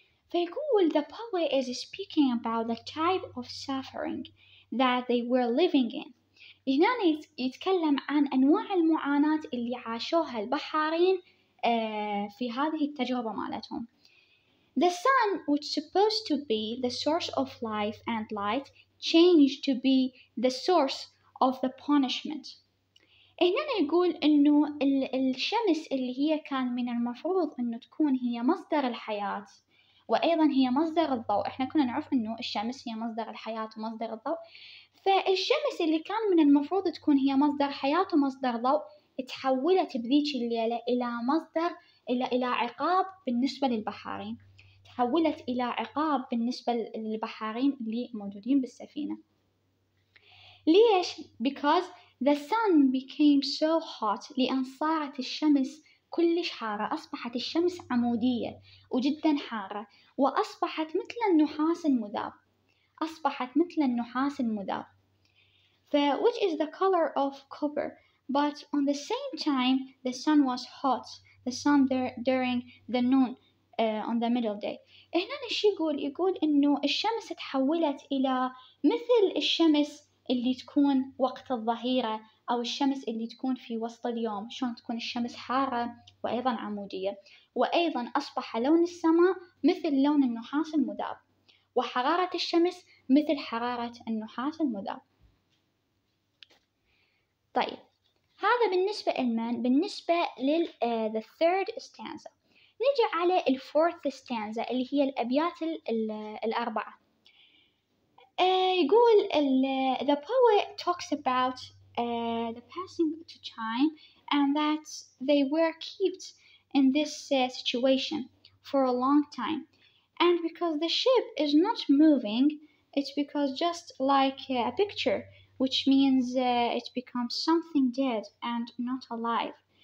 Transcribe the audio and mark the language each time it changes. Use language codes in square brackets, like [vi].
[ar] فيقول [en] the poet is speaking about the type of suffering that they were living in. [ar] هنا يتكلم عن أنواع المعاناة اللي عاشوها البحارين في هذه التجربة مالتهم. [en] The sun, which supposed to be the source of life and light, changed to be the source of the punishment. [ar] هنا يقول إنه الشمس اللي هي كان من المفروض إنه تكون هي مصدر الحياة، وأيضا هي مصدر الضوء. إحنا كنا نعرف إنه الشمس هي مصدر الحياة ومصدر الضوء، فالشمس اللي كان من المفروض تكون هي مصدر حياة ومصدر ضوء تحولت بذيك الليلة إلى مصدر إلى عقاب بالنسبة للبحارين، تحولت إلى عقاب بالنسبة للبحارين اللي موجودين بالسفينة. ليش؟ [en] because the sun became so hot، [ar] لأن صارت الشمس كلش حارة، أصبحت الشمس عمودية وجدا حارة، وأصبحت مثل النحاس المذاب، أصبحت مثل النحاس المذاب. [en] ف which is the color of copper، but on the same time the sun was hot، the sun there during the noon on the middle day. [ar] هنا الشي يقول إنه الشمس تحولت إلى مثل الشمس اللي تكون وقت الظهيرة، أو الشمس اللي تكون في وسط اليوم، شلون تكون الشمس حارة وأيضا عمودية، وأيضا أصبح لون السماء مثل لون النحاس المذاب، وحرارة الشمس مثل حرارة النحاس المذاب. طيب هذا بالنسبة لمن؟ بالنسبة لل [en] the third stanza. [ar] نجي على [en] the fourth stanza [ar] اللي هي الأبيات الأربعة. يقول [en] the poet talks about the passing to time and that they were kept in this situation for a long time. And because the ship is not moving, it's because just like a picture, which means it becomes something dead and not alive.